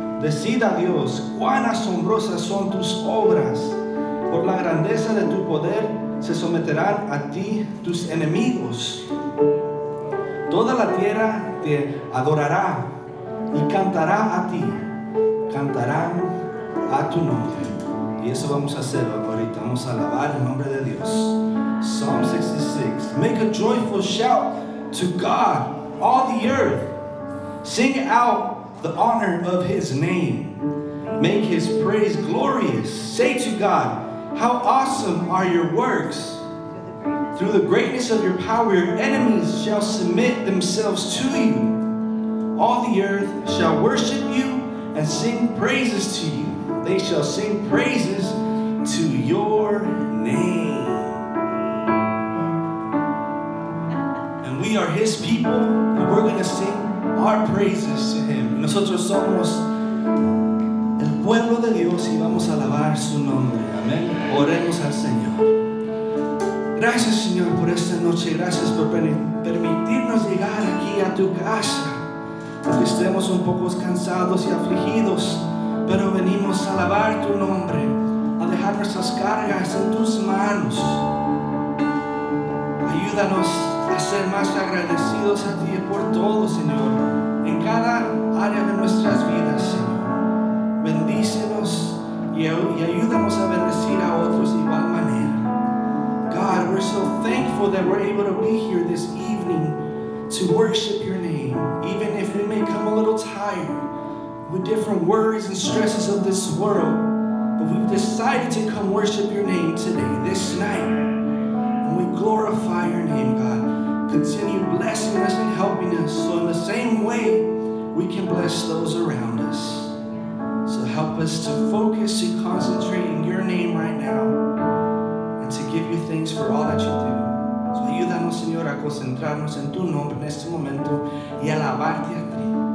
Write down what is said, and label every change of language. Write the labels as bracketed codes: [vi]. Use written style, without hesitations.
[es] Decid a Dios cuán asombrosas son tus obras, por la grandeza de tu poder se someterán a ti tus enemigos. Toda la tierra te adorará y cantará a ti, cantarán a tu nombre. Y eso vamos a hacer ahorita, vamos a alabar el nombre de Dios. [en] Psalm 66. Make a joyful shout to God, all the earth. Sing out the honor of his name. Make his praise glorious. Say to God, how awesome are your works. Through the greatness of your power, your enemies shall submit themselves to you. All the earth shall worship you and sing praises to you. They shall sing praises to your name. And we are his people, and we're going to sing our praises to him. [es] Nosotros somos el pueblo de Dios y vamos a alabar su nombre. Amén. Oremos al Señor. Gracias, Señor, por esta noche. Gracias por permitirnos llegar aquí a tu casa. Aunque estemos un poco cansados y afligidos, pero venimos a alabar tu nombre, a dejar nuestras cargas en tus manos. Ayúdanos a ser más agradecidos a ti por todo, Señor, en cada área de nuestras vidas, Señor. Bendícenos y ayúdanos a bendecir a otros de igual manera. [en] God, we're so thankful that we're able to be here this evening to worship your name, even if we may come a little tired with different worries and stresses of this world. But we've decided to come worship your name today, this night. And we glorify your name, God. Continue blessing us and helping us so in the same way we can bless those around us. So help us to focus and concentrate in your name right now and to give you thanks for all that you do. [es] So ayúdanos, Señor, a concentrarnos en tu nombre en este momento y alabarte a ti.